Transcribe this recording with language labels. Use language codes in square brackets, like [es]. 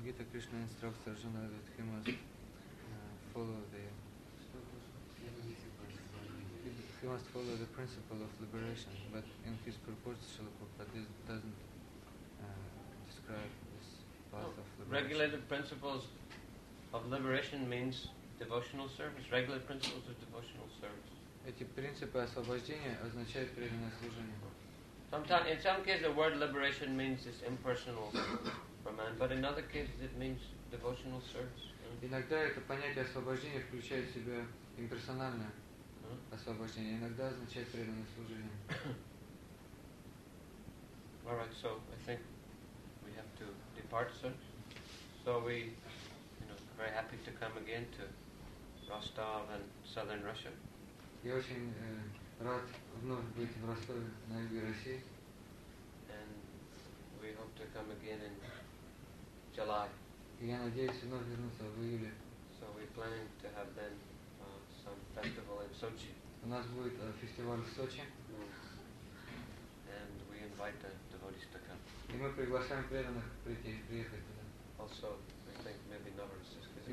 [en] Krishna instructs Arjuna that he must follow the principle of liberation, but in his purports Srila Prabhupada doesn't describe this path of liberation. Regulated principles of liberation means devotional service. Regulated principles of devotional service. [ru] Эти принципы освобождения означают преданное служение. [en] Sometimes, in some cases, the word liberation means this impersonal man, but in other cases it means devotional service. [ru] Иногда это понятие освобождения включает в себя имперсональное освобождение, иногда означает преданное служение. [en] All right, so I think we have to depart, sir. So we, you know, very happy to come again to Rostov and Southern Russia. [ru] Я очень рад вновь быть в Ростове на юге России. [en] And we hope to come again in July. [ru] Я надеюсь вновь вернуться в июле. [en] So we're planning to have then some festival in Sochi. [ru] У нас будет фестиваль в Сочи. [en] And we invite the devotees to come. [ru] И мы приглашаем преданных приехать туда. [en] Also, I think maybe Novorossiysk.